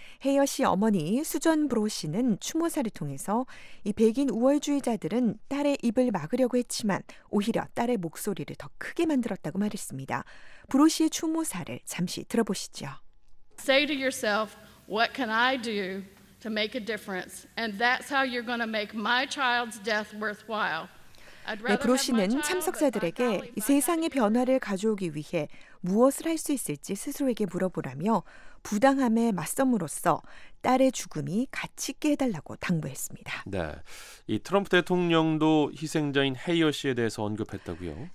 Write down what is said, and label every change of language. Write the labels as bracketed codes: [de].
[ko] 헤이어 씨 어머니 수전 브로 씨는 추모사를 통해서 이 백인 우월주의자들은 딸의 입을 막으려고 했지만 오히려 딸의 목소리를 더 크게 만들었다고 말했습니다. 브로 씨의 추모사를 잠시 들어보시죠. [en] Say to yourself, what can I do to make a difference? And that's how you're going to make my child's death worthwhile. [ko] 네, 브로 씨는 참석자들에게 이 세상의 변화를 가져오기 위해 무엇을 할 수 있을지 스스로에게 물어보라며 부당함에 맞섬으로써 딸의 죽음이 가치 있게 해달라고 당부했습니다. 네, 이 트럼프 대통령도 희생자인 헤이어 씨에 대해서 언급했다고요?